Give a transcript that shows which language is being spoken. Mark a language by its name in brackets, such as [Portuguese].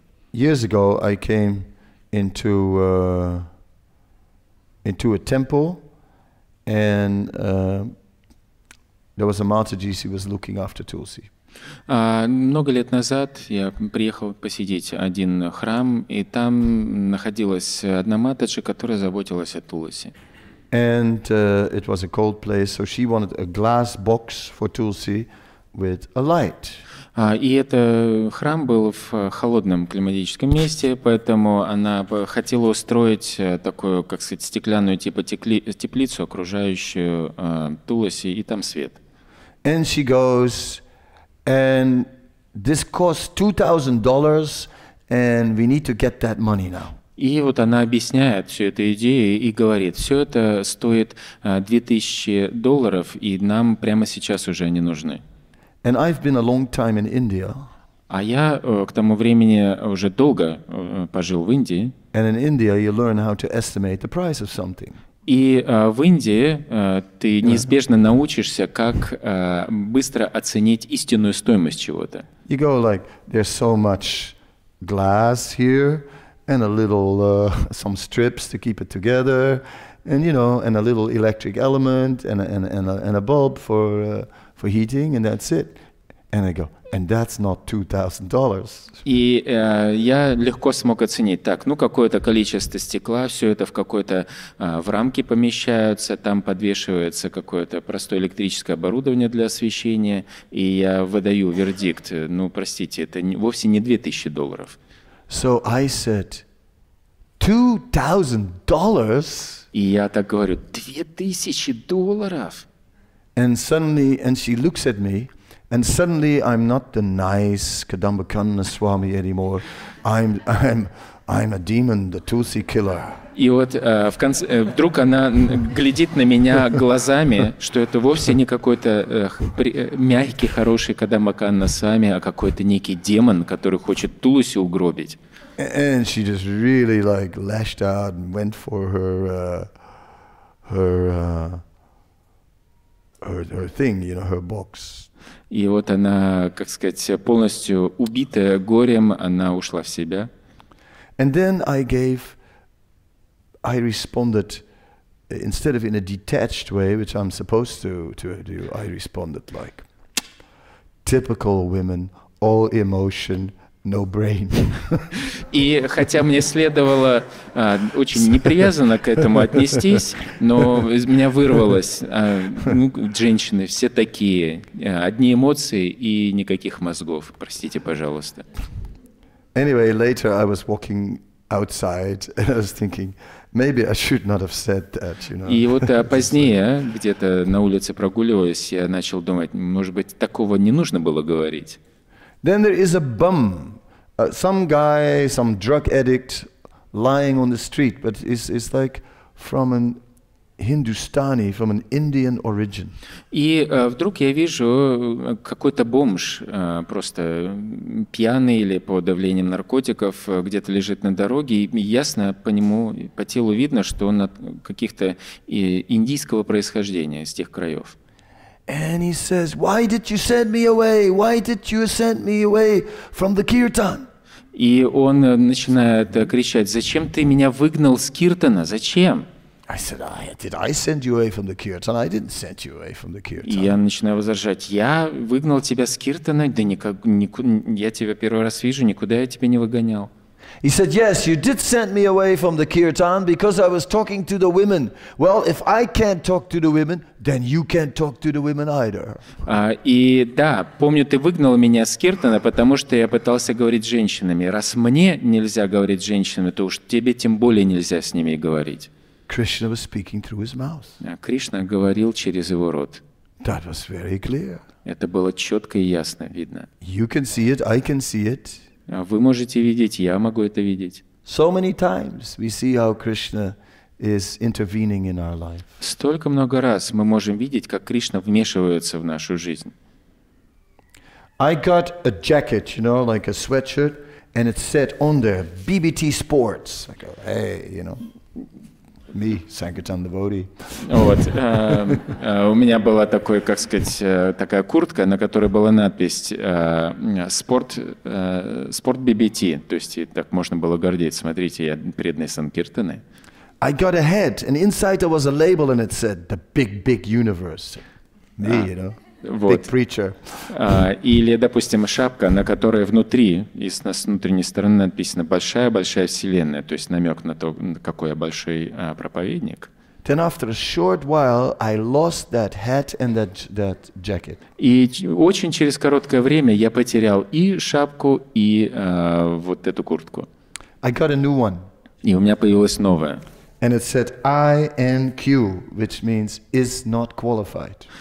[English] Years ago, I came into a temple, and there was a Mataji. She was looking after Tulsi. [Russian] Много лет назад я приехал посетить один храм, и там находилась одна Матаджи, которая заботилась о Тулси. [English] And it was a cold place, so she wanted a glass box for Tulsi. With a light. [Russian] И это храм был в холодном климатическом месте, поэтому она хотела устроить такую, как сказать, стеклянную типа теплицу, окружающую Туласи, и там свет. [English] And she goes, and this costs $2,000, and we need to get that money now. [Russian] И вот она объясняет всю эту идею и говорит, все это стоит $2,000, и нам прямо сейчас уже они нужны. [English] And I've been a long time in India. [Russian] А я к тому времени уже долго пожил в Индии. [English] And in India you learn how to estimate the price of something. [Russian] И в Индии ты неизбежно научишься, как быстро оценить истинную стоимость чего-то. [English] You go like, there's so much glass here, and a little some strips to keep it together, and you know, and a little electric element, and a bulb for heating, and that's it. And I go, and that's not $2,000. [Russian] И я легко смог оценить. Так, ну какое-то количество стекла, все это в какой-то в рамки помещаются, там подвешивается какое-то простое электрическое оборудование для освещения, и я выдаю вердикт. Ну, простите, это вовсе не $2,000. [English] So I said, $2,000. [Russian] И я так говорю, $2,000. [English] And suddenly, and she looks at me, and suddenly I'm not the nice Kadambakanna Swami anymore. I'm a demon, the Tulsi killer. [Russian] И вот в конце вдруг она глядит на меня глазами, что это вовсе не какой-то мягкий хороший Кадамбакана Свами, а какой-то некий демон, который хочет Тулси угробить. [English] And she just really like lashed out and went for her thing, you know, her box. [Russian] И вот она, как сказать, полностью убитая горем, она ушла в себя. [English] And then I responded instead of in a detached way, which I'm supposed to do. I responded like typical women, all emotion, no brain. [Russian] И хотя мне следовало очень непривязанно к этому отнестись, но из меня вырвалось, женщины все такие, одни эмоции и никаких мозгов, простите, пожалуйста. [English] Anyway, later I was walking outside and I was thinking, maybe I should not have said that, you know. [Russian] И вот позднее, где-то на улице прогуливаясь, я начал думать, может быть, такого не нужно было говорить. [English] Then there is a bum. Some guy, some drug addict, lying on the street, but it's like from an Hindustani from an Indian origin. [Russian] И вдруг я вижу какой-то бомж, просто пьяный или под давлением наркотиков, где-то лежит на дороге, и ясно по нему, по телу видно, что он от каких-то индийского происхождения, с тех краев. [English] And he says, "Why did you send me away? Why did you send me away from the kirtan?" [Russian] И он начинает кричать: "Зачем ты меня выгнал с киртана? Зачем?" [English] I said, "Did I send you away from the kirtan? I didn't send you away from the kirtan." [Russian] И я начинаю возражать: "Я выгнал тебя с киртана? Да никак, я тебя первый раз вижу, никуда я тебя не выгонял." [English] He said, "Yes, you did send me away from the kirtan because I was talking to the women. Well, if I can't talk to the women, then you can't talk to the women either." [Russian] И да, помню, ты выгнал меня с киртана, потому что я пытался говорить с женщинами. Раз мне нельзя говорить с женщинами, то уж тебе тем более нельзя с ними говорить. [English] Krishna was speaking through his mouth. [Russian] Кришна говорил через его рот. [English] That was very clear. [Russian] Это было четко и ясно видно. [English] You can see it, I can see it. [Russian] Вы можете видеть, я могу это видеть. [English] So many times we see how Krishna is intervening in our life. [Russian] Столько много раз мы можем видеть, как Кришна вмешивается в нашу жизнь. [English] I got a jacket, you know, like a sweatshirt, and it said on there BBT Sports. I go, hey, you know, me, Sankirtan Devotee. [Russian] Вот, у меня была такой, как сказать, такая куртка, на которой была надпись «Спорт BBT». То есть так можно было гордиться. Смотрите, я преданный Санкиртаны. [English] I got a hat, and inside there was a label, and it said «The big, big universe». Me, you know, [Russian] вот. [English] Big preacher. [Russian] Или, допустим, шапка, на которой внутри и с внутренней стороны написано «Большая-большая вселенная», то есть намек на то, какой я большой проповедник. [English] Then after a short while, I lost that hat and that jacket. [Russian] И очень через короткое время я потерял и шапку, и вот эту куртку. [English] I got a new one. [Russian] И у меня появилась новая. [English] And it said INQ, which means is not qualified.